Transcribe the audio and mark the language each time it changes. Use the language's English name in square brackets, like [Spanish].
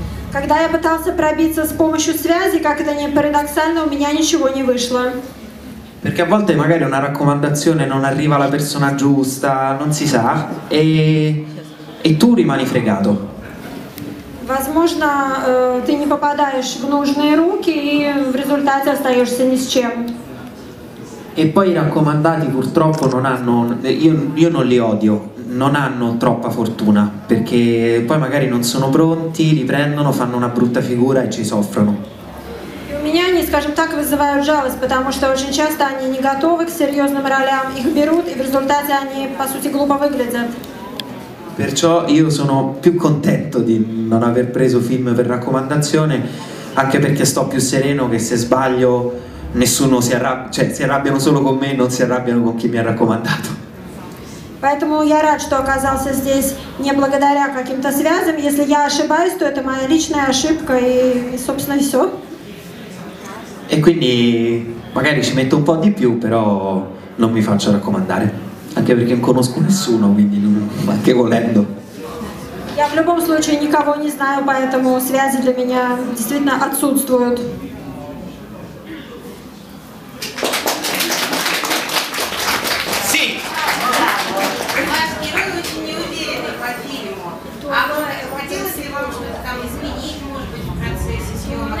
[Russian] Когда я пытался пробиться с помощью связи, как это не парадоксально, у меня ничего не вышло. [Italian] Perché a volte magari una raccomandazione non arriva alla persona giusta, non si sa, e tu rimani fregato. [Russian] Возможно, ты не попадаешь в нужные руки и в результате остаешься ни с чем. [Italian] E poi i raccomandati purtroppo non hanno, io non li odio, non hanno troppa fortuna, perché poi magari non sono pronti, li prendono, fanno una brutta figura e ci soffrono. [Russian] Меня они, скажем так, вызывают жалость, потому что очень часто они не готовы к серьезным ролям, их берут, и в результате они, по сути, глупо выглядят. [Italian] Perciò io sono più contento di non aver preso film per raccomandazione, anche perché sto più sereno che se sbaglio nessuno si arrabbia, cioè si arrabbiano solo con me, non si arrabbiano con chi mi ha raccomandato. [Russian] Поэтому я рад, что оказался здесь не благодаря каким-то связям. Если я ошибаюсь, то это моя личная ошибка и собственно, все. [Italian] E quindi magari ci metto un po' di più, però non mi faccio raccomandare, anche perché non conosco nessuno, quindi non, anche volendo. [Russian] Я в любом случае никого не знаю, поэтому связи для меня действительно отсутствуют. [Italian] Sì. [Russian] Наш герой очень не уверен по фильму. А хотелось ли вам что-то там изменить, может быть, в процессе съемок?